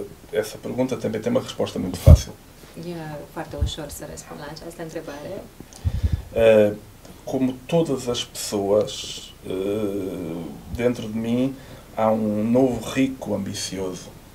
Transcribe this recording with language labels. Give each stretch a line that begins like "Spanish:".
Portuguese: Essa pergunta também tem uma resposta muito fácil.
Romanian: Foarte ușor să răspund la această întrebare.
Portuguese: Como todas as pessoas, dentro de mim há um novo rico ambicioso.